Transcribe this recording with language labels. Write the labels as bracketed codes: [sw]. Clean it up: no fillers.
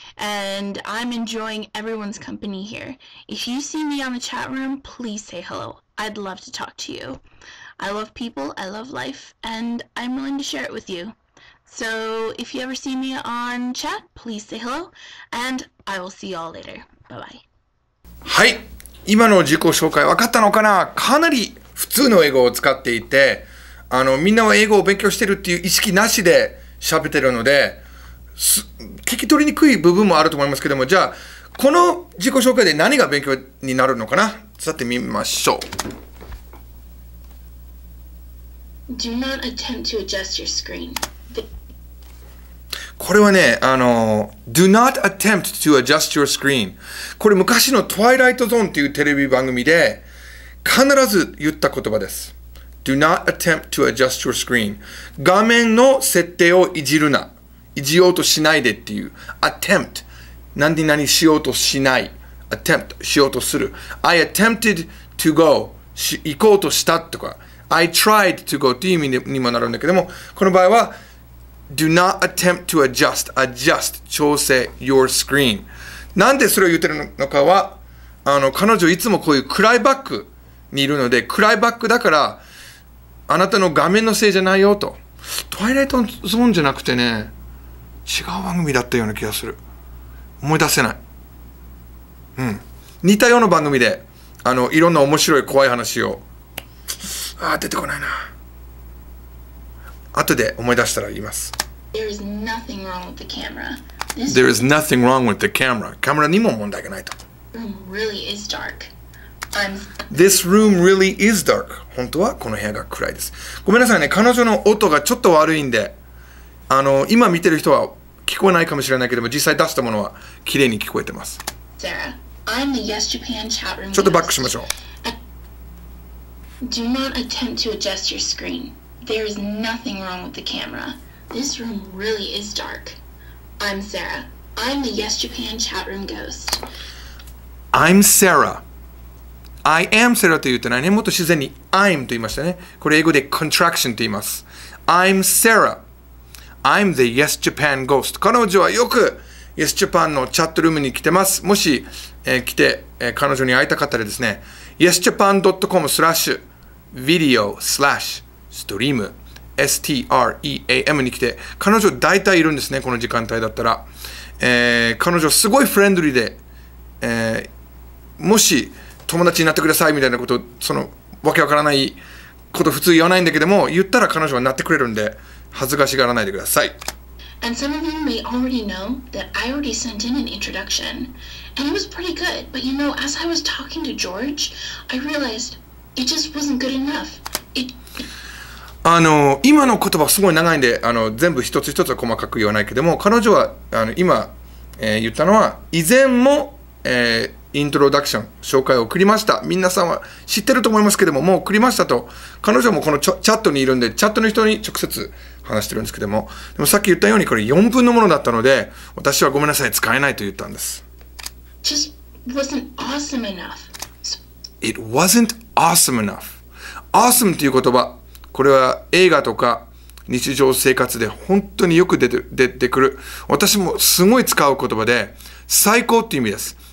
[en] And I'm enjoying everyone's company here. If you see me on the chat room, please say hello. I'd love to talk to you. I love people, I love life, and I'm willing to share it with you. So if you ever see me on chat, please say hello, and I will see you all later. Bye-bye. [ja] はい、今の自己紹介分かったのかな？かなり普通の英語を使っていて、あのみんなは英語を勉強してるっていう意識なしで喋ってるので、聞き取りにくい部分もあると思いますけども、じゃあこの自己紹介で何が勉強になるのかな？さってみましょう。 [en] Do not attempt to adjust your screen. [ja] これはね、あの [en] Do not attempt to adjust your screen。 [ja] これ昔のトワイライトゾーンっていうテレビ番組で必ず言った言葉です。 [en] Do not attempt to adjust your screen。 [ja] 画面の設定をいじるな、いじようとしないでっていう attempt。何に何しようとしない。Attempt しようとする。 [en] I attempted to go [ja] 行こうとしたとか、 [en] I tried to go [ja] という意味にもなるんだけども、この場合は、 [en] Do not attempt to adjust. Adjust [ja] 調整 [en] your screen。 [ja] なんでそれを言ってるのかは、あの彼女いつもこういう暗いバックにいるので、暗いバックだからあなたの画面のせいじゃないよと。トワイライトゾーンじゃなくてね、違う番組だったような気がする。思い出せない。うん、似たような番組で、あのいろんな面白い怖い話を、ああ出てこないな、後で思い出したら言います。 [en] There is nothing wrong with the camera. There is nothing wrong with the camera. [ja] カメラにも問題がないと。 [en] Room really is dark. This room really is dark. [ja] 本当はこの部屋が暗いです。ごめんなさいね、彼女の音がちょっと悪いんで、あの今見てる人は聞こえないかもしれないけども、実際出したものは綺麗に聞こえてます。 [en] Sarah, I'm the Yes Japan chat room host. [ja] ちょっとバックしましょう。 [en] Do not attempt to adjust your screen. There is nothing wrong with the camera. This room really is dark. I'm Sarah. I'm the Yes Japan chat room ghost. I'm Sarah. I am Sarah [ja] と言ってないね。もっと自然に I'm と言いましたね。これ英語で contraction と言います。 [en] I'm Sarah. I'm the Yes Japan ghost. [ja] 彼女はよくYes Japan のチャットルームに来てます。もし、来て、彼女に会いたかったらですね、yesjapan.com/video/stream S-T-R-E-A-M に来て、彼女大体いるんですね、この時間帯だったら。彼女すごいフレンドリーで、もし友達になってくださいみたいなこと、そのわけわからないこと普通言わないんだけども、言ったら彼女はなってくれるんで、恥ずかしがらないでください。 [en] And some of you may already know that I already sent in an introduction, and it was pretty good. But you know, as I was talking to George, I realized it just wasn't good enough. [ja] あの今の言葉すごい長いんで、あの全部一つ一つは細かく言わないけども、彼女はあの今、言ったのは以前も、イントロダクション紹介を送りました。みんなさんは知ってると思いますけども、もう送りましたと。彼女もこのチャットにいるんで、チャットの人に直接話してるんですけども、でもさっき言ったようにこれ4分のものだったので、私はごめんなさい、使えないと言ったんです。 [en] Just wasn't awesome enough. It wasn't awesome enough. [ja] Awesome という言葉、これは映画とか日常生活で本当によく出てくる。私もすごい使う言葉で、最高っていう意味です。